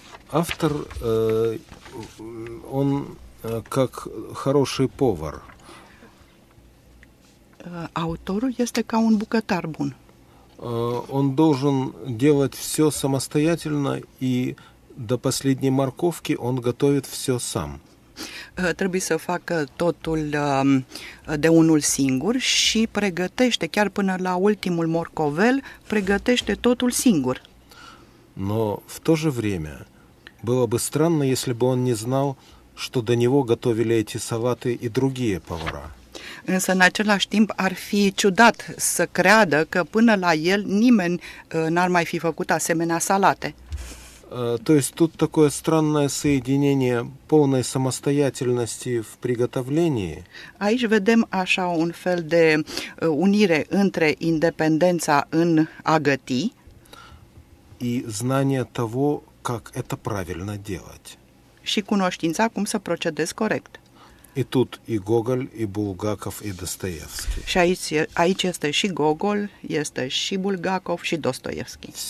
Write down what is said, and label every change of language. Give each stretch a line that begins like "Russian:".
Russian: Автор, он как хороший повар. Автору есть как он
Romanian: букатар бун.
Russian: Он должен делать все самостоятельно, и до последней морковки он готовит все сам.
Romanian: Trebuie să facă totul de unul singur și pregătește, chiar până la ultimul morcovel, pregătește totul singur.
Russian: Но в то же время было бы странно, если бы он не знал, что до него готовили эти салаты и другие повара.
Romanian: însă în același timp ar fi ciudat să creadă că până la el nimeni n-ar mai fi făcut asemenea salate.
Russian: То есть тут такое странное соединение полной самостоятельности в приготовлении.
Romanian: Aici vedem așa un fel de unire între independența în a găti
Russian: и знание того, как это правильно делать.
Romanian: Și cunoștința cum să procedezi corect.
Russian: И тут и Гоголь, и Булгаков, и Достоевский.
Romanian: Și aici este și Gogol, este și Bulgakov, și Dostoevski.